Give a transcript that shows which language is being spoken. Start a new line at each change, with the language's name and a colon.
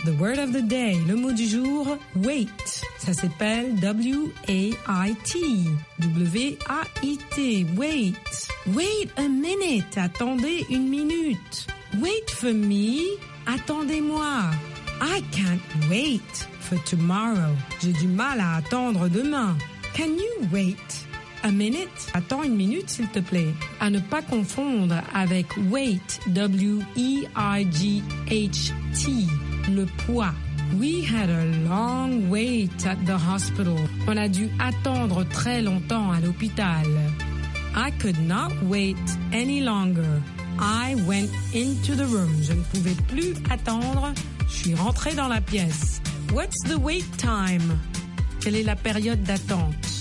English: The word of the day,
French: le mot du jour, wait. Ça s'appelle W-A-I-T.
English: W-A-I-T. Wait. Wait a minute.
French: Attendez une minute.
English: Wait for me.
French: Attendez-moi.
English: I can't wait for tomorrow.
French: J'ai du mal à attendre demain.
English: Can you wait a minute?
French: Attends une minute, s'il te plaît. À ne pas confondre avec weight, W-E-I-G-H-T, le poids.
English: We had a long wait at the hospital.
French: On a dû attendre très longtemps à l'hôpital.
English: I could not wait any longer. I went into the room.
French: Je ne pouvais plus attendre. Je suis rentrée dans la pièce.
English: What's the wait time?
French: Quelle est la période d'attente?